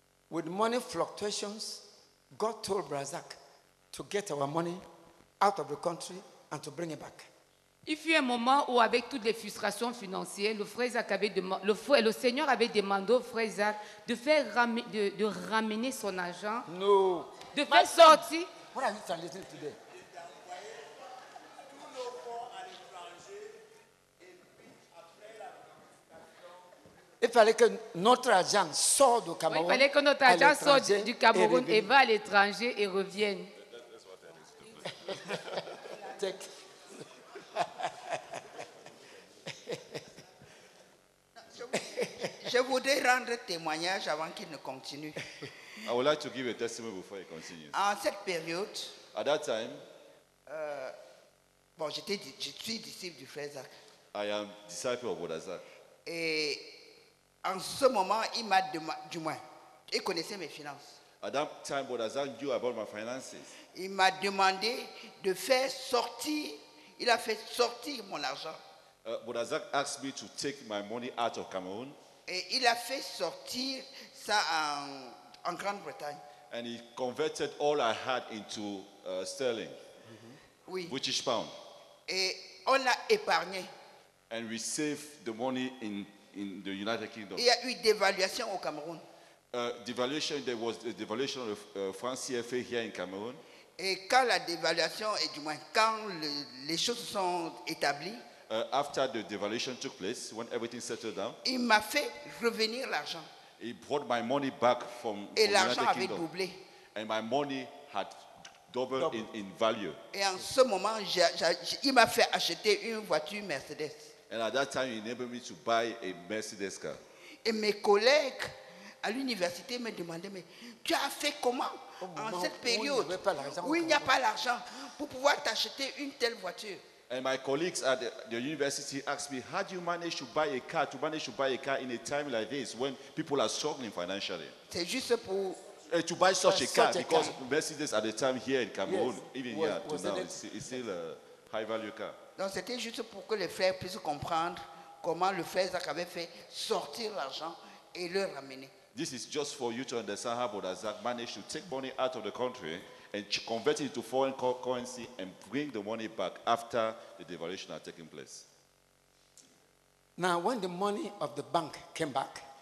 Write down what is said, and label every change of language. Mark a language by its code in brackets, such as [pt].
[en] With money fluctuations, God told Brazak to get our money out of the country and to bring it back. [fr] Il fut un moment où, avec toutes les frustrations financières, le Seigneur avait demandé au frère Zak de ramener son argent. [en] No. [fr] De faire sortir. [en] What are you translating today? [fr] Envoyé Il fallait que notre agent sorte du Cameroun. Il fallait que notre agent sorte du Cameroun et va à l'étranger et revienne. [en] Take. [fr] Je voudrais rendre témoignage avant qu'il ne continue. [en] I would like to give a testimony before he continues. [fr] En cette période, [en] at that time, [fr] bon, je suis disciple du frère Zach. [en] I am disciple of Odazak. [fr] Et en ce moment, il m'a demandé, du moins, il connaissait mes finances. [en] At that time, Odazak knew about my finances. [fr] Il m'a demandé de faire sortir, il a fait sortir mon argent. [en] Odazak asked me to take my money out of Cameroon. [fr] Et il a fait sortir ça en Grande-Bretagne. [en] And he converted all I had into sterling, mm-hmm. [fr] Oui. [en] British pound. [fr] Et on l'a épargné. [en] And we saved the money in the United Kingdom. [fr] Il y a eu dévaluation au Cameroun. [en] Devaluation, there was a devaluation of franc CFA here in Cameroon. [fr] Et quand la dévaluation, et du moins quand les choses sont établies, [en] After the devaluation took place, when everything settled down, [fr] il m'a fait revenir l'argent. [en] He brought my money back from [fr] et [en] from [fr] l'argent United avait Kingdom. Doublé. [en] And my money had doubled in value. [fr] Et en ce moment, il m'a fait acheter une voiture Mercedes. [en] And at that time, he enabled me to buy a Mercedes car. [fr] Et mes collègues à l'université me demandaient, mais tu as fait comment en cette période où il n'y a pas l'argent pour pouvoir t'acheter une telle voiture? [en] And my colleagues at the university asked me, how do you manage to buy a car, in a time like this when people are struggling financially? [fr] C'est juste pour [en] To buy such a car, because Mercedes at the time here in Cameroon, yes, even was, here to now, it's still a high-value car. [fr] Donc c'était juste pour que les frères puissent comprendre comment le frère Zach avait fait sortir l'argent et le ramener. [en] This is just for you to understand how Brother Zach managed to take money out of the country and convert it to foreign currency and bring the money back after the devaluation had taken place. Now, when the money of the bank came back,